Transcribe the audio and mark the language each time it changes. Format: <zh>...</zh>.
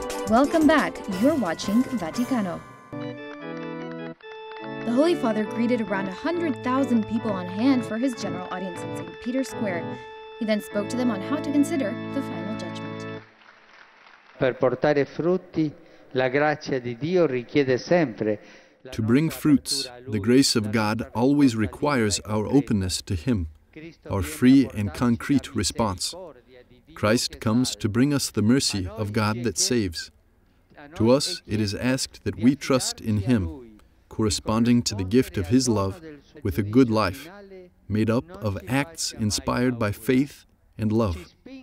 <en>Welcome back. You're watching Vaticano. The Holy Father greeted around 100,000 people on hand for his general audience in St. Peter's Square. He then spoke to them on how to consider the final judgment.</en> <it>Per portare frutti, la grazia di Dio richiede sempre.</it> <en>To bring fruits, the grace of God always requires our openness to Him, our free and concrete response. Christ comes to bring us the mercy of God that saves. To us, it is asked that we trust in Him, corresponding to the gift of His love, with a good life, made up of acts inspired by faith and love.</en>